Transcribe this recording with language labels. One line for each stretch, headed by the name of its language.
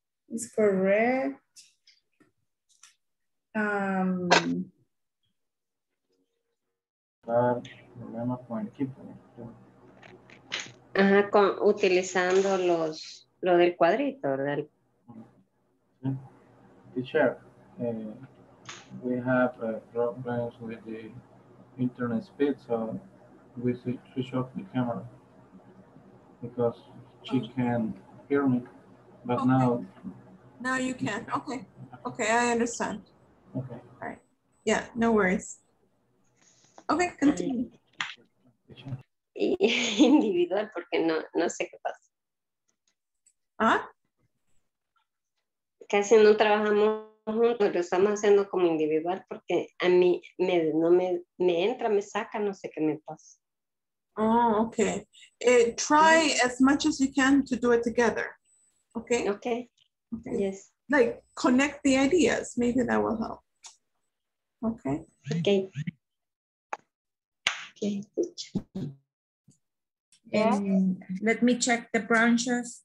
English: Is correct.
Spanish: Ajá, con, utilizando los lo del cuadrito, ¿verdad?
English: Teacher, we have problems with the internet speed, so we switch off the camera because she can't hear me, but okay. Now you can. Okay, I understand. Okay. All right. Yeah, no worries. Okay, continue.
Spanish: Individual, porque no sé qué pasa. ¿Ah? Casi no trabajamos juntos, lo estamos haciendo como individual porque a mí me entra, me saca, no sé qué me pasa.
English: Oh, okay. Try as much as you can to do it together. Okay? Okay. Okay. Yes. Like connect the ideas, maybe that will help. Okay? Okay. Okay. Yeah. Let me check the brushes.